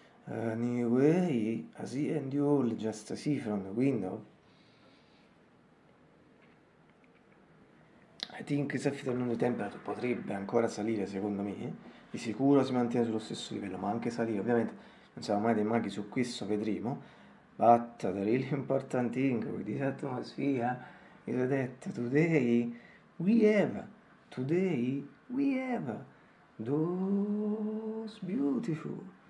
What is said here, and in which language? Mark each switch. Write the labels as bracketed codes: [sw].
[en] Anyway, as he and you all just see from the window, I think Saffitano temperature [it] potrebbe ancora salire, secondo me. Di sicuro si mantiene sullo stesso livello, ma anche salire. Ovviamente non siamo mai dei maghi su questo, vedremo. [en] But the really important thing with this atmosphere is that today we have those beautiful.